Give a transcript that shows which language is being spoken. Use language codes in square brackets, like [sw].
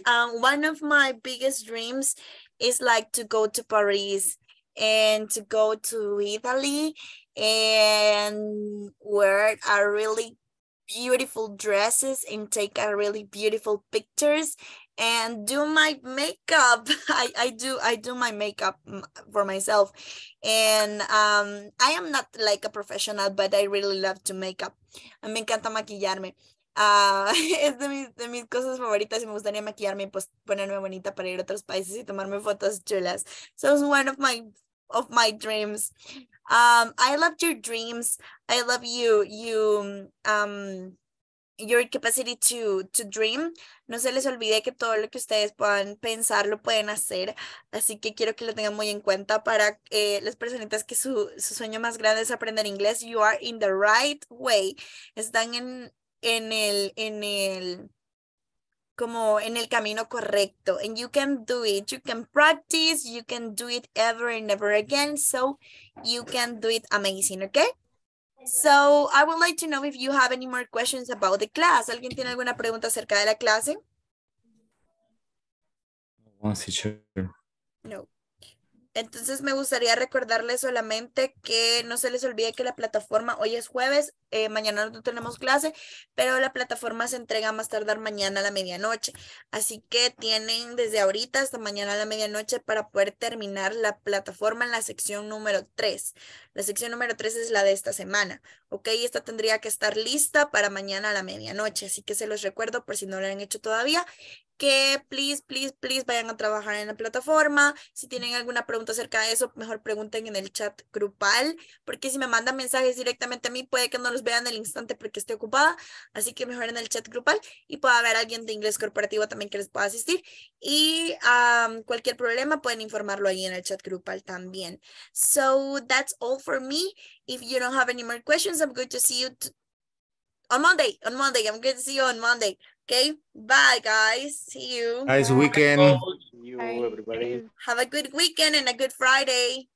[en] One of my biggest dreams is like to go to Paris and to go to Italy and wear a really beautiful dresses and take a really beautiful pictures and do my makeup. I do my makeup for myself. And I am not like a professional, but I really love to makeup. [es] Me encanta maquillarme. Es de mis cosas favoritas y me gustaría maquillarme y pues ponerme bonita para ir a otros países y tomarme fotos chulas. [en] So it's one of my dreams. I love your dreams. I love your capacity to dream. [es] No se les olvide que todo lo que ustedes puedan pensar lo pueden hacer. Así que quiero que lo tengan muy en cuenta para las personitas que su sueño más grande es aprender inglés. [en] You are in the right way. [es] Están en el camino correcto. [en] And you can do it. You can practice. You can do it ever and ever again. So you can do it amazing, okay? So I would like to know if you have any more questions about the class. [es] ¿Alguien tiene alguna pregunta acerca de la clase? No. Entonces me gustaría recordarles solamente que no se les olvide que la plataforma hoy es jueves, mañana no tenemos clase, pero la plataforma se entrega más tardar mañana a la medianoche. Así que tienen desde ahorita hasta mañana a la medianoche para poder terminar la plataforma en la sección número 3. La sección número 3 es la de esta semana. Ok, esta tendría que estar lista para mañana a la medianoche. Así que se los recuerdo por si no lo han hecho todavía. Que [en] please, please, please [es] vayan a trabajar en la plataforma. Si tienen alguna pregunta acerca de eso, mejor pregunten en el chat grupal, porque si me mandan mensajes directamente a mí, puede que no los vean en el instante porque estoy ocupada. Así que mejor en el chat grupal y pueda haber alguien de inglés corporativo también que les pueda asistir. Y cualquier problema pueden informarlo ahí en el chat grupal también. [en] So that's all for me. If you don't have any more questions, I'm good to see you on Monday. I'm good to see you on Monday. Okay, bye guys. See you. Nice weekend. You, everybody. Have a good weekend and a good Friday.